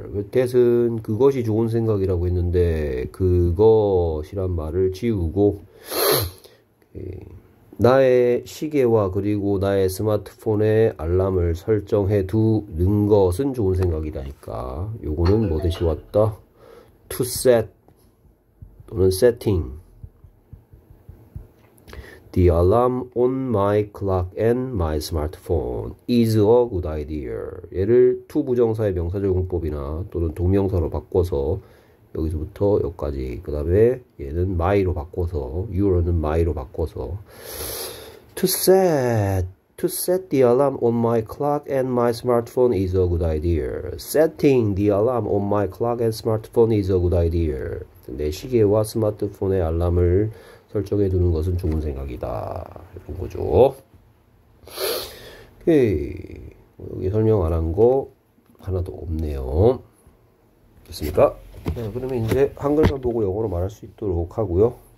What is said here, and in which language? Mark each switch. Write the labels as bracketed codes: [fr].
[ko] That은 그것이 좋은 생각이라고 했는데 그것이란 말을 지우고 나의 시계와 그리고 나의 스마트폰에 알람을 설정해 두는 것은 좋은 생각이다니까. 요거는 뭐 대시 왔다? [en] To set 또는 setting The alarm on my clock and my smartphone is a good idea. [ko] 얘를 to 부정사의 명사적용법이나 또는 동명사로 바꿔서 여기서부터 여기까지 그 다음에 얘는 my로 바꿔서 your는 my로 바꿔서 [en] to set the alarm on my clock and my smartphone is a good idea. Setting the alarm on my clock and smartphone is a good idea. [ko] 내 시계와 스마트폰에 알람을 설정해 두는 것은 좋은 생각이다. 이런 거죠. 오케이. 여기 설명 안 한 거 하나도 없네요. 됐습니까? 네, 그러면 이제 한글만 보고 영어로 말할 수 있도록 하고요.